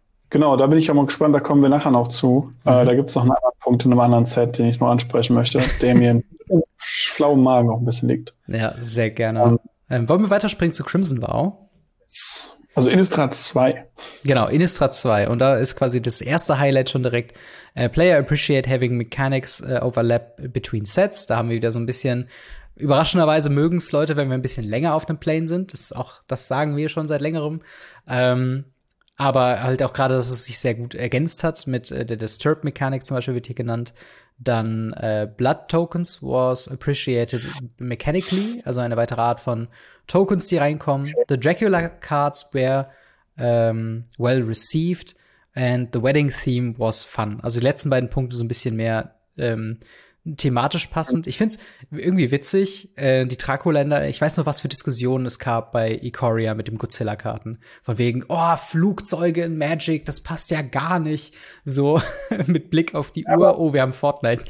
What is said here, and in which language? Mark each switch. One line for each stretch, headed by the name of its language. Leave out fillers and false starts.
German: Genau, da bin ich ja mal gespannt, da kommen wir nachher noch zu. Mhm. Da gibt's noch einen anderen Punkt in einem anderen Set, den ich nur ansprechen möchte, der mir im schlauen Magen auch ein bisschen liegt. Ja, sehr gerne. Wollen wir weiterspringen zu Crimson Vow? Also Innistrad 2. Genau, Innistrad 2. Und da ist quasi das erste Highlight schon direkt.
English: Player appreciate having mechanics overlap between sets.
German: Da haben wir wieder so ein bisschen, überraschenderweise mögen es Leute, wenn wir ein bisschen länger auf einem Plane sind. Das sagen wir schon seit längerem. Aber halt auch gerade, dass es sich sehr gut ergänzt hat mit der Disturb-Mechanik zum Beispiel, wird hier genannt. Dann
English: Blood Tokens was appreciated mechanically,
German: also eine weitere Art von Tokens, die reinkommen.
English: The Dracula Cards were well received and the Wedding Theme was fun.
German: Also die letzten beiden Punkte so ein bisschen mehr thematisch passend. Ich find's irgendwie witzig, die Draco-Länder, ich weiß nur, was für Diskussionen es gab bei Ikoria mit dem Godzilla-Karten. Von wegen, oh, Flugzeuge in Magic, das passt ja gar nicht. So mit Blick auf die Uhr, oh, wir haben Fortnite.